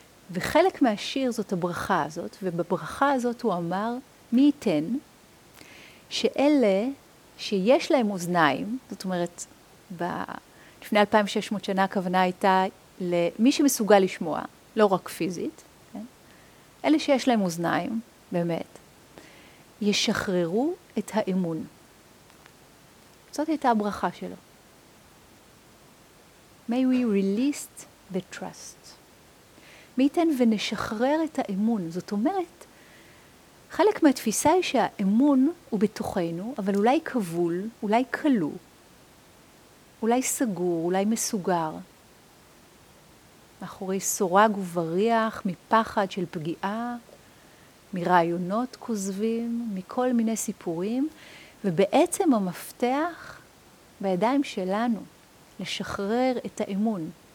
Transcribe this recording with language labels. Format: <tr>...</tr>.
<he>וחלק מהשיר זאת הברכה הזאת, ובברכה הזאת הוא אמר, מי ייתן שאלה שיש להם אוזניים, זאת אומרת, לפני 2600 שנה הכוונה הייתה למי שמסוגל לשמוע, לא רק פיזית, כן? אלה שיש להם אוזניים, באמת, ישחררו את האמון. זאת הייתה הברכה שלו.</he> <en>May we release the trust.</en> <he>מי ייתן ונשחרר את האמון. זאת אומרת, חלק מהתפיסה היא שהאמון הוא בתוכנו, אבל אולי כבול, אולי קלו, אולי סגור, אולי מסוגר. מאחורי סורג ובריח, מפחד של פגיעה, מרעיונות כוזבים, מכל מיני סיפורים, ובעצם המפתח בידיים שלנו, לשחרר את האמון.</he>